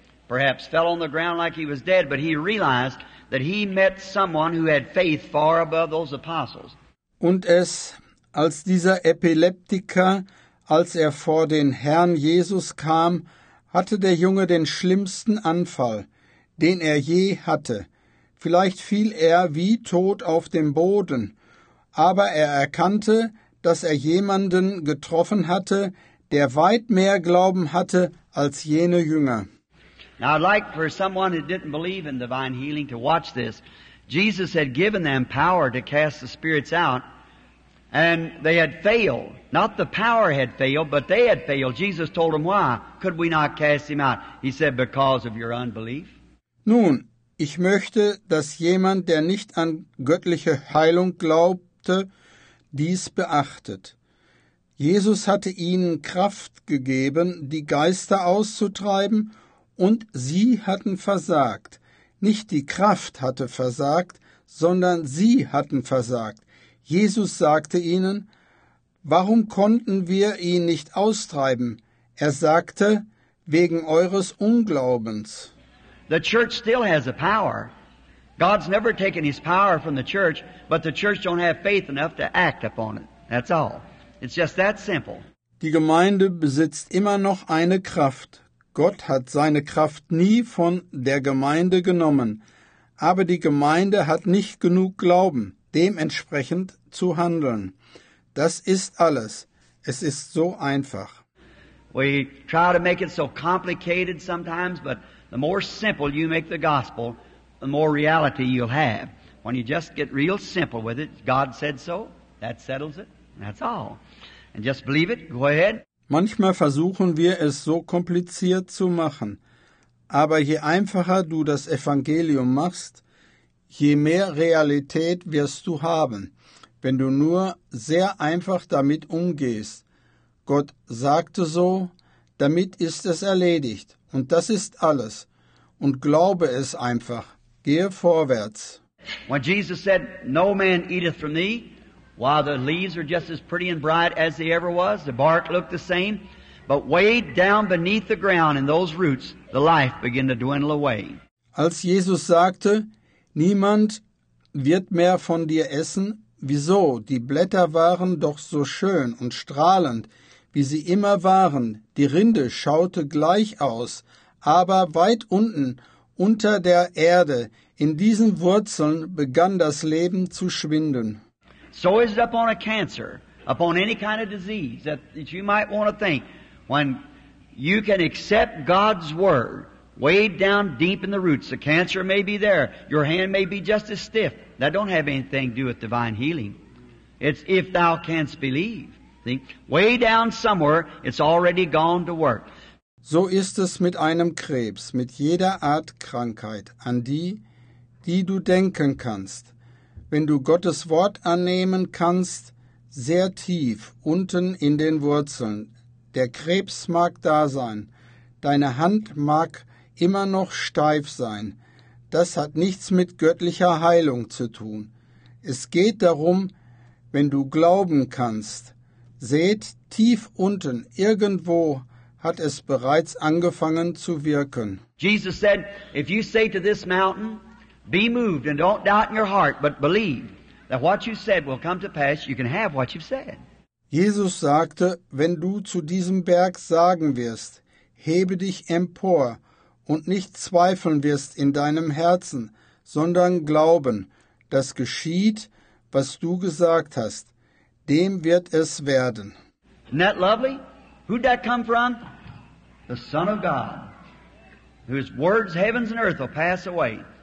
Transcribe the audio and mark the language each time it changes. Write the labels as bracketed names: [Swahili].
[English] Perhaps fell on the ground like he was dead, but he realized that he met someone who had faith far above those apostles. [German] Und es, als dieser Epileptiker, als er vor den Herrn Jesus kam, hatte der Junge den schlimmsten Anfall, den er je hatte. Vielleicht fiel er wie tot auf den Boden, aber er erkannte, dass er jemanden getroffen hatte, der weit mehr Glauben hatte als jene Jünger. [English] Now, I'd like for someone who didn't believe in divine healing to watch this. Jesus had given them power to cast the spirits out, and they had failed. Not the power had failed, but they had failed. Jesus told them, why could we not cast him out? He said, because of your unbelief. [German] Nun, ich möchte, dass jemand, der nicht an göttliche Heilung glaubte, dies beachtet. Jesus hatte ihnen Kraft gegeben, die Geister auszutreiben, und sie hatten versagt. Nicht die Kraft hatte versagt, sondern sie hatten versagt. Jesus sagte ihnen, warum konnten wir ihn nicht austreiben? Er sagte, wegen eures Unglaubens. [English] The church still has a power. God's never taken his power from the church, but the church don't have faith enough to act upon it. That's all. It's just that simple. [German] Die Gemeinde besitzt immer noch eine Kraft. Gott hat seine Kraft nie von der Gemeinde genommen, aber die Gemeinde hat nicht genug Glauben, dementsprechend zu handeln. Das ist alles. Es ist so einfach. [English] We try to make it so complicated sometimes, but the more simple you make the gospel, the more reality you'll have. When you just get real simple with it, God said so, that settles it, that's all. And just believe it, go ahead. [German] Manchmal versuchen wir, es so kompliziert zu machen. Aber je einfacher du das Evangelium machst, je mehr Realität wirst du haben, wenn du nur sehr einfach damit umgehst. Gott sagte so, damit ist es erledigt. Und das ist alles. Und glaube es einfach. Gehe vorwärts. [English] When Jesus said, no man eateth from thee, while the leaves are just as pretty and bright as they ever was, the bark looked the same, but way down beneath the ground in those roots, the life began to dwindle away. [German] Als Jesus sagte, niemand wird mehr von dir essen, wieso? Die Blätter waren doch so schön und strahlend, wie sie immer waren. Die Rinde schaute gleich aus, aber weit unten, unter der Erde, in diesen Wurzeln begann das Leben zu schwinden. [English] So is it upon a cancer, upon any kind of disease that you might want to think. When you can accept God's word, way down deep in the roots, the cancer may be there. Your hand may be just as stiff. That don't have anything to do with divine healing. It's if thou canst believe. Think, way down somewhere, it's already gone to work. [German] So ist es mit einem Krebs, mit jeder Art Krankheit, an die du denken kannst. Wenn du Gottes Wort annehmen kannst, sehr tief, unten in den Wurzeln. Der Krebs mag da sein, deine Hand mag immer noch steif sein. Das hat nichts mit göttlicher Heilung zu tun. Es geht darum, wenn du glauben kannst, seht, tief unten, irgendwo hat es bereits angefangen zu wirken. [English] Jesus said, if you say to this mountain, be moved and don't doubt in your heart, but believe that what you said will come to pass, you can have what you've said. [German] Jesus sagte, wenn du zu diesem Berg sagen wirst, hebe dich empor und nicht zweifeln wirst in deinem Herzen, sondern glauben, das geschieht, was du gesagt hast, dem wird es werden. [English] Isn't that lovely? Who'd that come from? The Son of God, whose words heavens and earth will pass away.